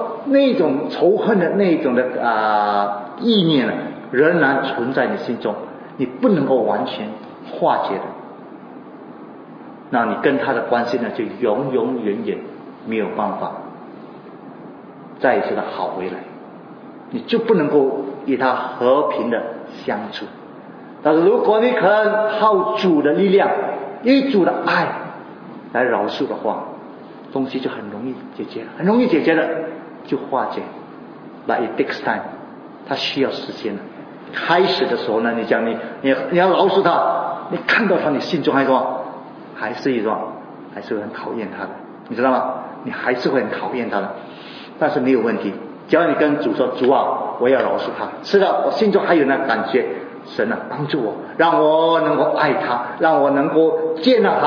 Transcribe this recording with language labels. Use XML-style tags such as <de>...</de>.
<zh>那种仇恨的那种的意念呢，仍然存在你心中，你不能够完全化解的，那你跟他的关系呢，就永永远远没有办法再一次的好回来，你就不能够与他和平的相处。但是如果你肯靠主的力量，以主的爱来饶恕的话，东西就很容易解决，很容易解决的就化解。</zh> <en>But it takes time，</en> <zh>它需要时间的。开始的时候呢，你讲你要饶恕他，你看到他，你心中还是什么？还是一种，还是很讨厌他的，你知道吗？你还是会很讨厌他的，但是没有问题。只要你跟主说：“主啊，我要饶恕他。” 是的，我心中还有那感觉。神啊，帮助我，让我能够爱他，让我能够接纳他。</zh>